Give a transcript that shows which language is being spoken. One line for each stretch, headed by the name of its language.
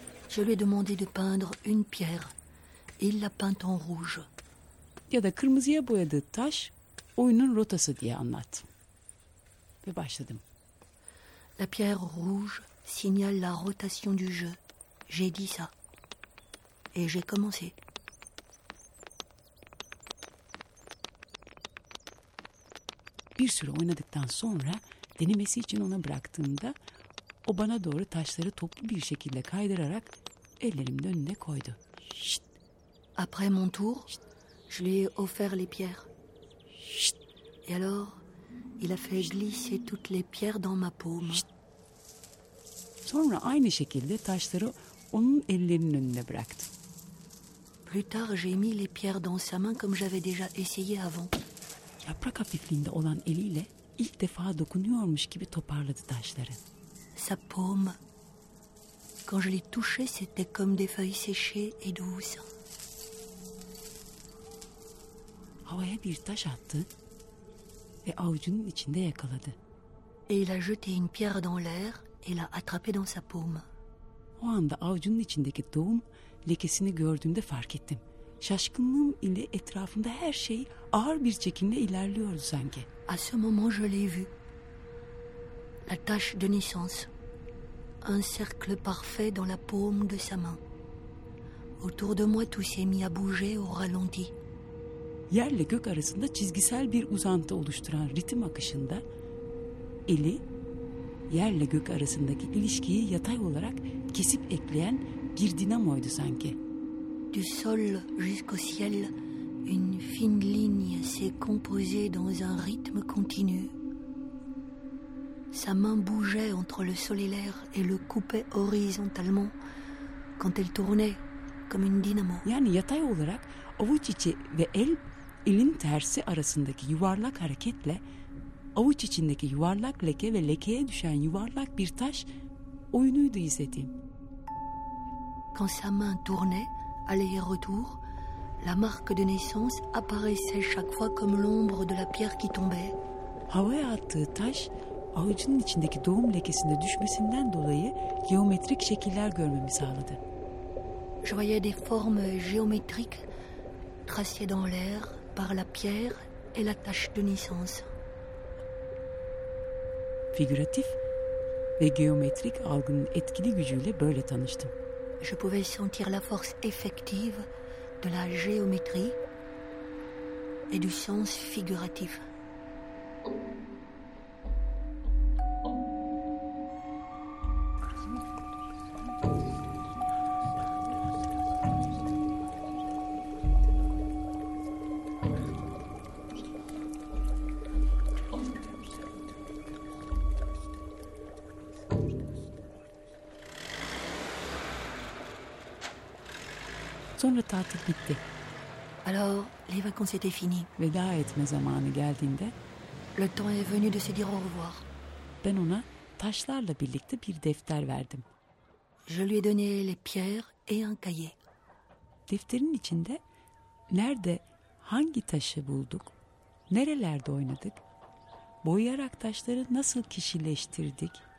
French: Je lui ai demandé de peindre une pierre. Il l'a peinte en rouge.
Turkish: Ya da kırmızıya boyadığı taş oyunun rotası diye anlat. Ve başladım.
French: La pierre rouge signale la rotation du jeu. J'ai dit ça. Et j'ai commencé.
Turkish: Bir süre oynadıktan sonra denemesi için ona bıraktığımda o bana doğru taşları toplu bir şekilde kaydırarak ellerimin önüne koydu. Şşt.
French: Après mon tour, je lui ai offert les pierres. Et alors, il a fait glisser toutes les pierres dans ma paume.
Turkish: Sonra aynı şekilde taşları onun ellerinin önüne bıraktı.
French: Plus tard, j'ai mis les pierres dans sa main comme j'avais déjà essayé avant.
Turkish: Yaprak hafifliğinde olan eliyle ilk defa dokunuyormuş gibi toparladı taşları.
French: Sa paume, quand je l'ai touché, c'était comme des feuilles séchées et douces.
Turkish: Havaya bir taş attı ve avucunun içinde yakaladı.
French: Et il a jeté une pierre dans l'air et l'a attrapée dans sa paume.
Turkish: O anda avucunun içindeki tohum lekesini gördüğümde fark ettim. Şaşkınlığım ile etrafımda her şey ağır bir çekimle ilerliyordu sanki.
French: À ce moment je l'ai vu. La tache de naissance. Un cercle parfait dans la paume de sa main. Autour de moi tout s'est mis à bouger au ralenti.
Turkish: Yerle gök arasında çizgisel bir uzantı oluşturan ritim akışında eli yerle gök arasındaki ilişkiyi yatay olarak kesip ekleyen bir dinamoydu sanki.
French: Du sol jusqu'au ciel, une fine ligne s'est composée dans un rythme continu. Sa main bougeait entre le sol et l'air et le coupait horizontalement quand elle tournait comme une dynamo.
Turkish: Yani yatay olarak avuç içi ve el elin tersi arasındaki yuvarlak hareketle avuç içindeki yuvarlak leke ve lekeye düşen yuvarlak bir taş oyunuydu izlediğim.
French: Quand sa main tournait, aller et retour, la marque de naissance apparaissait chaque fois comme l'ombre de la pierre qui tombait.
Turkish: Havaya attığı taş, avucunun içindeki doğum lekesinde düşmesinden dolayı geometrik şekiller görmemi sağladı.
French: Je voyais des formes géométriques tracées dans l'air par la pierre et la tache de naissance.
Turkish: Figuratif ve geometrik algının etkili gücüyle böyle tanıştım.
French: Je pouvais sentir la force effective de la géométrie et du sens figuratif.
Turkish: Sonra tatil bitti.
French: Alors, les vacances étaient finies.
Turkish: Veda etme zamanı geldiğinde,
French: le temps est venu de se dire au revoir.
Turkish: Ben ona taşlarla birlikte bir defter verdim.
French: Je lui ai donné les pierres et un cahier.
Turkish: Defterin içinde nerede hangi taşı bulduk, nerelerde oynadık, boyayarak taşları nasıl kişileştirdik.